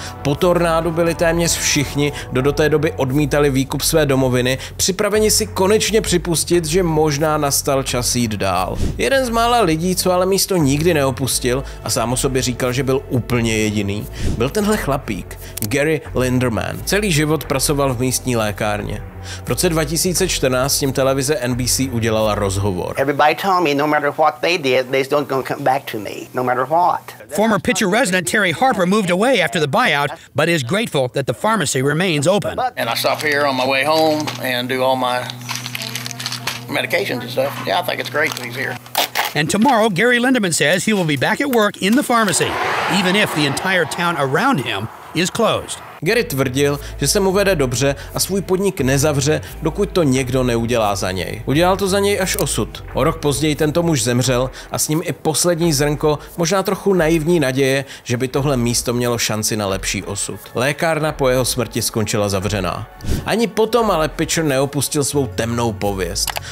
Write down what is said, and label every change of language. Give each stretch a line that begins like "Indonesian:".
Czech: Po tornádu byli téměř všichni, kdo do té doby odmítali výkup své domoviny, připraveni si konečně připustit, že možná nastal čas jít dál. Jeden z mála lidí, co ale místo nikdy neopustil a sám o sobě říkal, že byl úplně jediný, byl tenhle chlapík, Gary Linderman. Celý život pracoval v místní lékárně. V roce 2014 s ním televize NBC udělala rozhovor.
English: Everybody told me no matter what they did, they don't gonna come back to me, no matter what. Former Pitcher resident Terry Harper moved away after the buyout, but is grateful that the pharmacy remains open. And I stop here on my way home and do all my medications and stuff. Yeah, I think it's great that he's here. And tomorrow, Gary Linderman says he will be back at work in the pharmacy, even if the entire town around him is closed.
Czech: Gary tvrdil, že se mu vede dobře a svůj podnik nezavře, dokud to někdo neudělá za něj. Udělal to za něj až osud. O rok později tento muž zemřel a s ním i poslední zrnko, možná trochu naivní naděje, že by tohle místo mělo šanci na lepší osud. Lékárna po jeho smrti skončila zavřená. Ani potom ale Pitcher neopustil svou temnou pověst.